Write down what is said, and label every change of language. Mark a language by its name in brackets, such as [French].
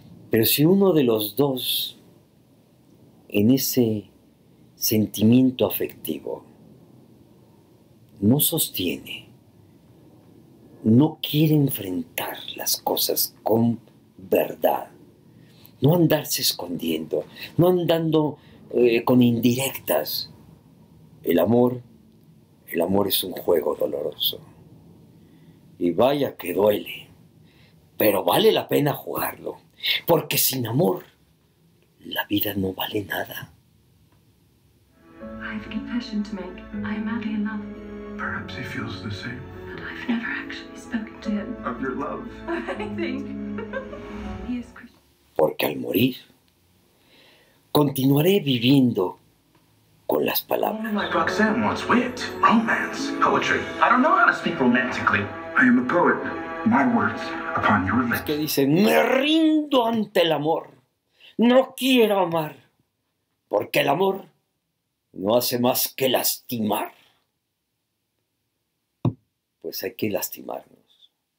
[Spanish] Pero si uno de los dos, en ese sentimiento afectivo, no sostiene, no quiere enfrentar las cosas con verdad, no andarse escondiendo, no andando con indirectas. El amor es un juego doloroso. Y vaya que duele, pero vale la pena jugarlo, porque sin amor, la vida no vale nada. [English] I have a confession to make. I am madly in love. Perhaps he feels the same. But I've never actually spoken to him. Of your love? Of anything. He is Christian. [Spanish] Porque al morir, continuaré viviendo con las palabras. [English] Like Roxanne wants wit, romance, poetry. I don't know how to speak romantically. I am a poet. My words upon your lips. [Spanish] Es que dice, me rindo ante el amor. No quiero amar, porque el amor no hace más que lastimar. Pues hay que lastimarnos.